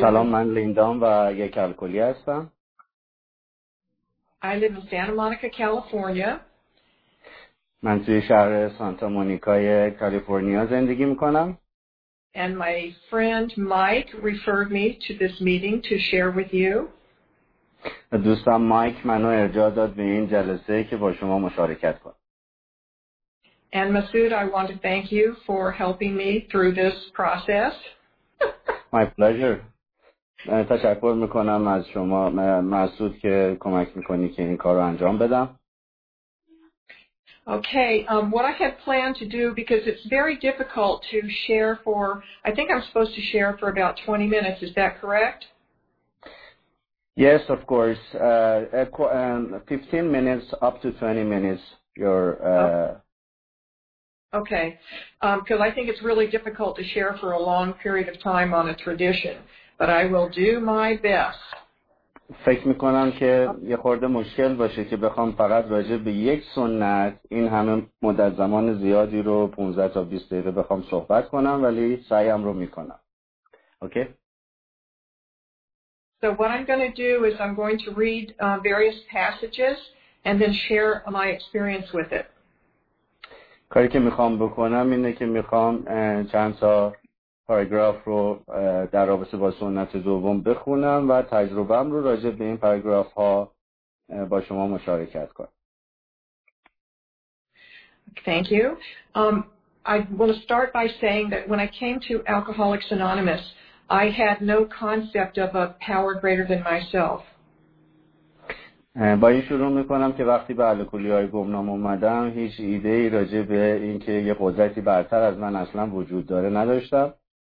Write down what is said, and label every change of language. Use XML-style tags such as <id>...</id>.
<fa>سلام من لیندام و یک الکلی هستم.</fa> <en>I live in Santa Monica, California.</en> <fa>من توی شهر سانتا مونیکای کالیفرنیا زندگی میکنم.</fa> <en>And my friend Mike referred me to this meeting to share with you.</en> <fa>دوستم مایک منو ارجاع داد به این جلسه که با شما مشارکت کنم.</fa> <en>And Masood, I want to thank you for helping me through this process. My pleasure.</en> <fa>تشکر میکنم از شما مسعود که کمک میکنی که این کار رو انجام بدم.</fa> <en>Okay, what I had planned to do, because it's very difficult to share for, I think I'm supposed to share for about 20 minutes, is that correct? Yes, of course. 15 minutes up to 20 minutes, your... Okay, because I think it's really difficult to share for a long period of time on a tradition, but I will do my best.</en> <fa>فکر میکنم که یه خورده مشکل باشه که بخوام فقط راجع به یک سنت این همه مدت زمان زیادی رو 15 تا 20 دقیقه بخوام صحبت کنم، ولی سعیم رو میکنم.</fa> <en>Okay. So what I'm going to do is I'm going to read various passages and then share my experience with it.</en> <fa>کاری که میخوام بکنم اینه که میخوام چند تا پاراگراف رو در رابطه با سنت دوم بخونم و تجربه‌ام رو راجع به این پاراگراف ها با شما مشارکت کنم.</fa> <en>Thank you. I want to start by saying that when I came to Alcoholics Anonymous, I had no concept of a power greater than myself.</en> <fa>با این شروع میکنم که وقتی به الکلی های گمنام اومدم هیچ ایده ای راجع به اینکه یه قدرتی برتر از من اصلا وجود داره نداشتم.</fa>